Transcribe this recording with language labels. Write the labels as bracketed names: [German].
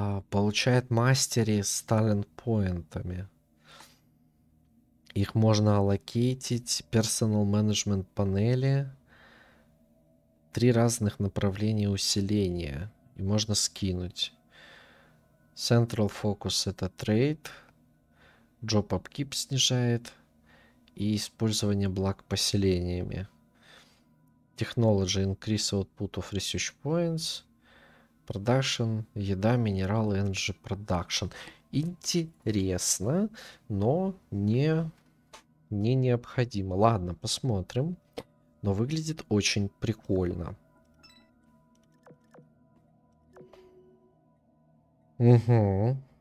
[Russian] Получает мастери с талент-поинтами. Их можно аллокейтить. Personal Management панели. Три разных направления усиления. И можно скинуть. Central Focus это трейд. Job Upkeep снижает. И использование благ поселениями. [English] Technology increase output of research points. Production, [Russian] еда, минералы, [English] energy production. [Russian] Интересно, но не необходимо. Ладно, посмотрим. Но выглядит очень прикольно. Угу.